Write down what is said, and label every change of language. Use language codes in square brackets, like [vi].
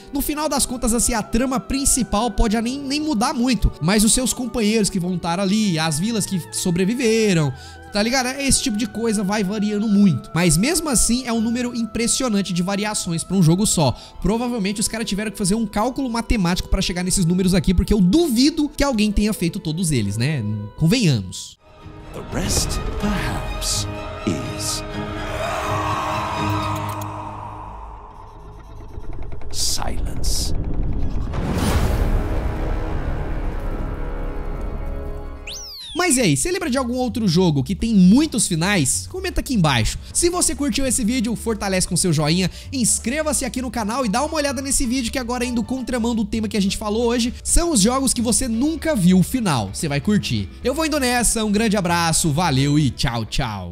[pt] No final das contas, assim, a trama principal pode nem mudar muito, mas os seus companheiros que vão estar ali, as vilas que sobreviveram, tá ligado? Esse tipo de coisa vai variando muito. Mas mesmo assim, é um número impressionante de variações pra um jogo só. Provavelmente os caras tiveram que fazer um cálculo matemático pra chegar nesses números aqui, porque eu duvido que alguém tenha feito todos eles, né? Convenhamos. [en] The rest, perhaps, is silence. [pt] Mas e aí, você lembra de algum outro jogo que tem muitos finais? Comenta aqui embaixo. Se você curtiu esse vídeo, fortalece com seu joinha, inscreva-se aqui no canal e dá uma olhada nesse vídeo que agora indo contramão do tema que a gente falou hoje, são os jogos que você nunca viu o final. Você vai curtir. Eu vou indo nessa, um grande abraço, valeu e tchau, tchau.